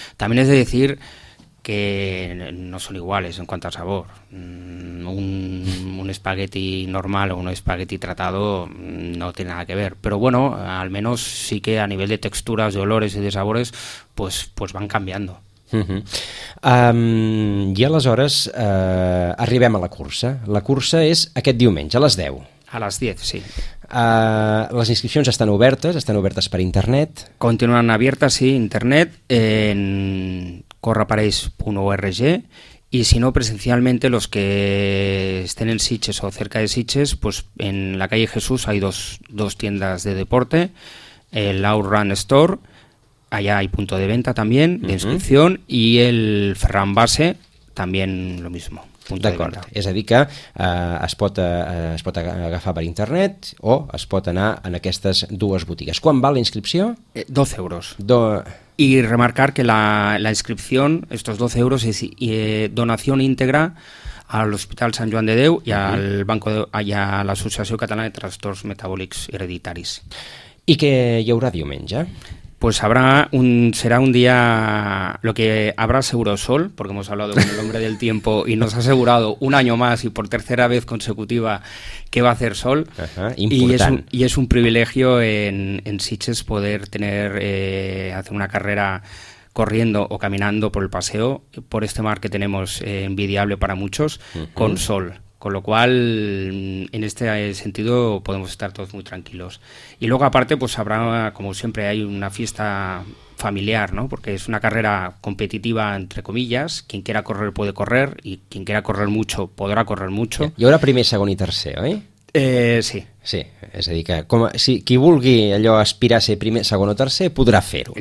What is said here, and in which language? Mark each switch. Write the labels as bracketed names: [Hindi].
[Spanish] También es de decir que no son iguales en cuanto a sabor. Un espagueti normal o un espagueti tratado no tiene nada que ver. Pero bueno, al menos sí que a nivel de texturas, de olores y de sabores, pues van cambiando. [Catalan] I aleshores arribem a la cursa. La cursa és aquest diumenge, a les 10. A les 10, sí. Les inscripcions estan obertes per internet. Continuen obertes, sí, [Spanish] internet, en correapareix.org, y si no, presencialmente, los que estén en Sitges o cerca de Sitges, pues en la calle Jesús hay dos tiendas de deporte, el Outrun Store, allá hay punto de venta también, de inscripción, y el Ferran Base, también lo mismo. [Catalan] D'acord, és a dir que es pot agafar per internet o es pot anar en aquestes dues botigues. Quant val la inscripció? 12 euros. I remarcar que la inscripció, estos 12 euros, és donació íntegra a l'Hospital Sant Joan de Déu i al Banco i a l'Associació Catalana de Trastorns Metabòlics Hereditaris. I què hi haurà diumenge? [Spanish] Pues habrá un será un día lo que habrá seguro sol, porque hemos hablado con el hombre del tiempo y nos ha asegurado un año más y por tercera vez consecutiva que va a hacer sol. Y es un privilegio en Sitges poder tener hacer una carrera corriendo o caminando por el paseo, por este mar que tenemos envidiable para muchos, con sol. Con lo cual, en este sentido, podemos estar todos muy tranquilos. Y luego, aparte, pues habrá, como siempre, hay una fiesta familiar, ¿no? Porque es una carrera competitiva, entre comillas. Quien quiera correr puede correr y quien quiera correr mucho podrá correr mucho. Y ahora [Catalan] primer, segon [Spanish] y tercer, ¿eh? [Catalan] Sí. Sí, és a dir que com a, si qui vulgui allò aspirar a ser primer, segon o tercer, podrà fer-ho.